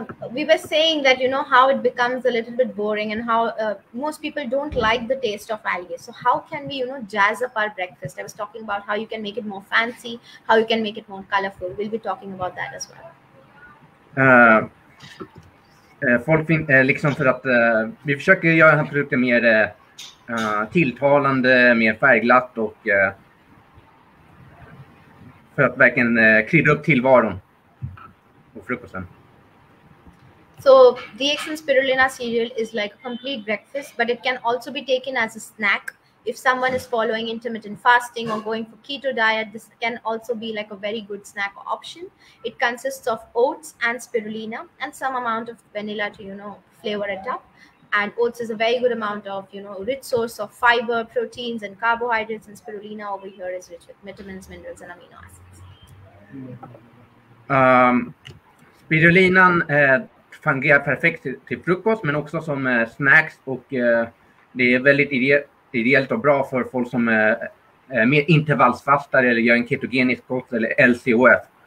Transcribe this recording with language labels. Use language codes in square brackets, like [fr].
[en] We were saying that, you know, how it becomes a little bit boring and how most people don't like the taste of algae. So how can we, you know, jazz up our breakfast? I was talking about how you can make it more fancy, how you can make it more colorful. We'll be talking about that as well. [sv] Folk liksom för att vi försöker göra den här produkten mer tilltalande, mer färgglatt och för att verkligen krydda upp tillvaron och frukosten. [en] So DXN spirulina cereal is like a complete breakfast, but it can also be taken as a snack. If someone is following intermittent fasting or going for keto diet, this can also be like a very good snack option. It consists of oats and spirulina and some amount of vanilla to, you know, flavor it up. And oats is a very good amount of, you know, rich source of fiber, proteins and carbohydrates, and spirulina over here is rich with vitamins, minerals and amino acids. [sv] Spirulina fungerar perfekt till frukost men också som snacks och det är väldigt ideellt och bra för folk som är mer intervallsfastare eller gör en ketogenisk kost eller LCOF.